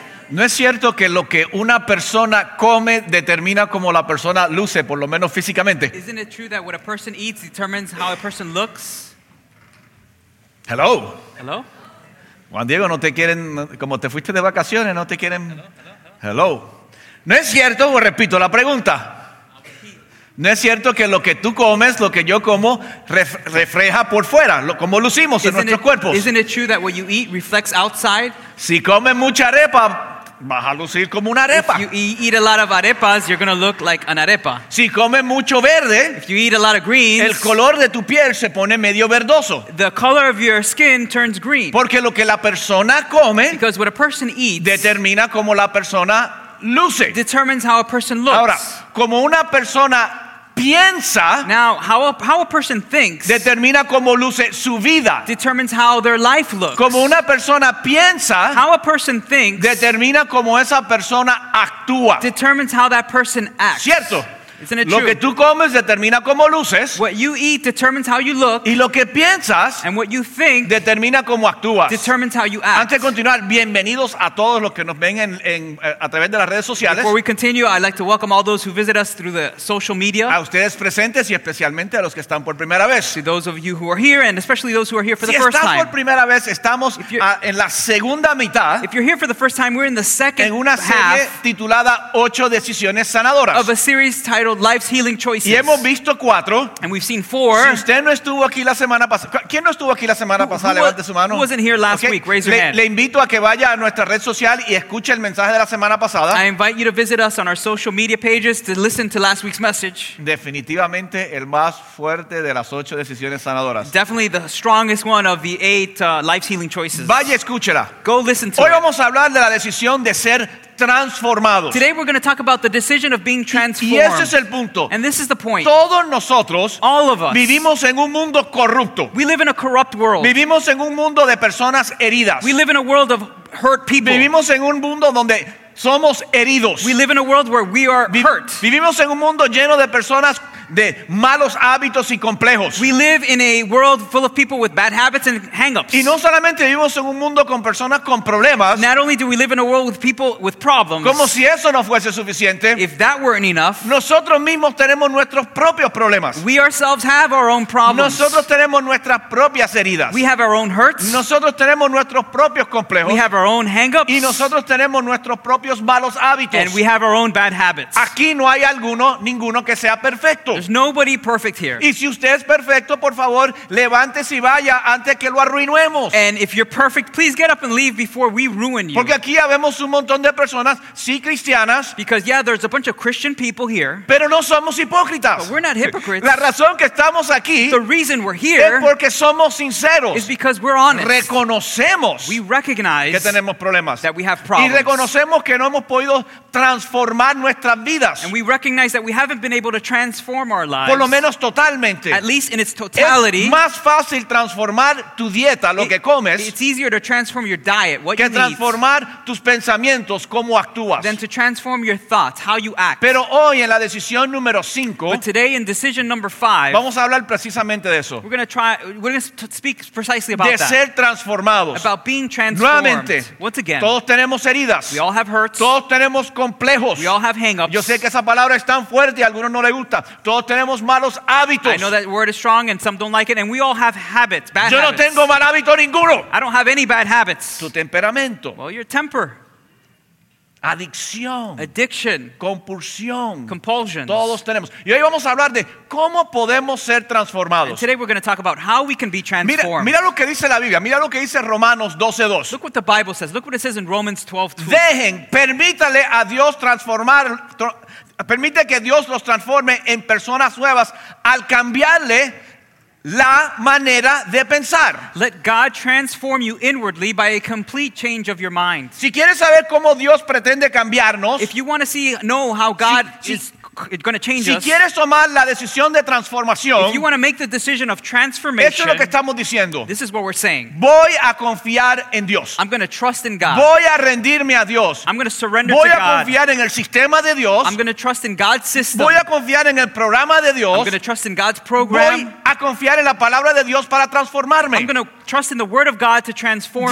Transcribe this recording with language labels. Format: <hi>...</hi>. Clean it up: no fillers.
<es>¿No es cierto que lo que una persona come determina cómo la persona luce, por lo menos físicamente?</es> <en>Isn't it true that what a person eats determines how a person looks? Hello. Hello.</en> <es>Juan Diego, no te quieren, como te fuiste de vacaciones, no te quieren.</es> <en>Hello.</en> <es>¿No es cierto? Pues repito la pregunta. ¿No es cierto que lo que tú comes, lo que yo como, refleja por fuera, cómo lucimos</es> <en>isn't</en> <es>en nuestros cuerpos?</es> <en>Isn't it true that what you eat reflects outside?</en> <es>Si comes mucha arepa, vas a lucir como una arepa.</es> <en>If you eat a lot of arepas, you're going to look like an arepa.</en> <es>Si comes mucho verde,</es> <en>if you eat a lot of greens,</en> <es>el color de tu piel se pone medio verdoso.</es> <en>The color of your skin turns green.</en> <es>Porque lo que la persona come,</es> <en>because what a person eats,</en> <es>determina cómo la persona luce.</es> <en>Determines how a person looks.</en> <es>Ahora, como una persona piensa,</es> <en>now how a person thinks</en> <es>determina cómo luce su vida.</es> <en>Determines how their life looks.</en> <es>Como una persona piensa,</es> <en>how a person thinks</en> <es>determina cómo esa persona actúa.</es> <en>Determines how that person acts.</en> <es>Cierto.</es> <en>Isn't it</en> <es>lo</es> <en>true?</en> <es>Que tú comes determina cómo luces.</es> <en>What you eat determines how you look.</en> <es>Y lo que piensas,</es> <en>and what you think,</en> <es>determina cómo actúas.</es> <en>Determines how you act.</en> <es>Antes de continuar, bienvenidos a todos los que nos ven a través de las redes sociales.</es> <en>Before we continue, I'd like to welcome all those who visit us through the social media.</en> <es>A ustedes presentes y especialmente a los que están por primera vez.</es> <en>To those of you who are here and especially those who are here for</en> <es>si</es> <en>the first time.</en> <es>Si estás por primera vez, estamos en la segunda mitad.</es> <en>If you're here for the first time, we're in the second</en> <es>half. En una serie titulada Ocho Decisiones Sanadoras.</es> <en>Of a series titled Life's Healing Choices.</en> <es>Y hemos visto cuatro.</es> <en>And we've seen four.</en> <es>Si usted no estuvo aquí la semana pasada, ¿quién no estuvo aquí la semana pasada? Levante su mano.</es> <en>Who wasn't here last week? Raise your hand.</en> <es>Le invito a que vaya a nuestra red social y escuche el mensaje de la semana pasada.</es> <en>I invite you to visit us on our social media pages to listen to last week's message.</en> <es>Definitivamente el más fuerte de las ocho decisiones sanadoras.</es> <en>Definitely the strongest one of the eight life's healing choices.</en> <es>Vaya, escúchela.</es> <en>Go listen to</en> <es>Hoy</es> <en>it.</en> <es>Vamos a hablar de la decisión de ser transformados.</es> <en>Today we're going to talk about the decision of being transformed.</en> <es>Y ese es el punto.</es> <en>And this is the point.</en> <es>Todos nosotros,</es> <en>all of us,</en> <es>vivimos en un mundo corrupto.</es> <en>We live in a corrupt world.</en> <es>Vivimos en un mundo de personas heridas.</es> <en>We live in a world of hurt people.</en> <es>Vivimos en un mundo donde somos heridos.</es> <en>We live in a world where we are hurt.</en> <es>Vivimos en un mundo lleno de personas de malos hábitos y complejos.</es> <en>We live in a world full of people with bad habits and hang-ups.</en> <es>Y no solamente vivimos en un mundo con personas con problemas.</es> <en>Not only do we live in a world with people with problems.</en> <es>Como si eso no fuese suficiente.</es> <en>If that weren't enough.</en> <es>Nosotros mismos tenemos nuestros propios problemas.</es> <en>We ourselves have our own problems.</en> <es>Nosotros tenemos nuestras propias heridas.</es> <en>We have our own hurts.</en> <es>Nosotros tenemos nuestros propios complejos.</es> <en>We have our own hang-ups.</en> <es>Y nosotros tenemos nuestros propios malos hábitos.</es> <en>And we have our own bad habits.</en> <es>Aquí no hay ninguno que sea perfecto.</es> <en>There's nobody perfect here.</en> <es>Y si usted es perfecto, por favor, levántese y vaya antes que lo arruinemos.</es> <en>And if you're perfect, please get up and leave before we ruin you.</en> <es>Porque aquí habemos un montón de personas, sí cristianas.</es> <en>Because yeah, there's a bunch of Christian people here.</en> <es>Pero no somos hipócritas.</es> <en>But we're not hypocrites.</en> <es>La razón que estamos aquí,</es> <en>the reason we're here,</en> <es>es porque somos sinceros.</es> <en>Is because we're honest.</en> <es>Reconocemos,</es> <en>we recognize</en> <es>que tenemos problemas.</es> <en>That we have problems.</en> <es>Y reconocemos que no hemos podido transformar nuestras vidas.</es> <en>And we recognize that we haven't been able to transform our lives.</en> <es>Por lo menos totalmente.</es> <en>At least in its totality.</en> <es>Es más fácil transformar tu dieta, lo que comes.</es> <en>It's easier to transform your diet, what</en> <es>que</es> <en>you</en> <es>transformar</es> <en>eat,</en> <es>tus pensamientos, cómo actúas.</es> <en>Than to transform your thoughts, how you act.</en> <es>Pero hoy en la decisión número 5,</es> <en>but today in decision number 5,</en> <es>vamos a hablar precisamente de eso.</es> <en>We're going to speak precisely about</en> <es>de</es> <en>that.</en> <es>De ser transformados.</es> <en>About being transformed.</en> <es>Nuevamente.</es> <en>Once again.</en> <es>Todos tenemos heridas.</es> <en>We all have hurts.</en> <es>Todos tenemos complejos.</es> <en>We all have hang-ups.</en> <es>Yo sé que esa palabra es tan fuerte y a algunos no les gusta. Todos tenemos malos hábitos.</es> <en>I know that word is strong and some don't like it, and we all have habits, bad habits.</en> <es>Yo no tengo mal hábito ninguno.</es> <en>I don't have any bad habits.</en> <es>Tu temperamento.</es> <en>Well, your temper.</en> <es>Adicción.</es> <en>Addiction.</en> <es>Compulsión.</es> <en>Compulsions.</en> <es>Todos tenemos. Y hoy vamos a hablar de cómo podemos ser transformados.</es> <en>And today we're going to talk about how we can be transformed.</en> <es>Mira lo que dice la Biblia. Mira lo que dice Romanos 12:2.</es> <en>Look what the Bible says. Look what it says in Romans 12:2.</en> <es>Dejen, permítale a Dios transformar. Permite que Dios los transforme en personas nuevas al cambiarle la manera de pensar.</es> <en>Let God transform you inwardly by a complete change of your mind.</en> <es>Si quieres saber cómo Dios pretende cambiarnos,</es> <en>if you want to see, know how God is going to change</en> <es>si</es> <en>us.</en> <es>Si quieres tomar la decisión de transformación,</es> <en>if you want to make the decision of transformation,</en> <es>esto es lo que estamos diciendo.</es> <en>This is what we're saying.</en> <es>Voy a confiar en Dios.</es> <en>I'm going to trust in God.</en> <es>Voy a rendirme a Dios.</es> <en>I'm going to surrender</en> <es>voy</es> <en>to God.</en> <es>Voy a confiar en el sistema de Dios.</es> <en>I'm going to trust in God's system.</en> <es>Voy a confiar en el programa de Dios.</es> <en>I'm going to trust in God's program.</en> <es>Voy a confiar en la palabra de Dios para transformarme.</es> <en>I'm going to trust in the word of God to transform</en>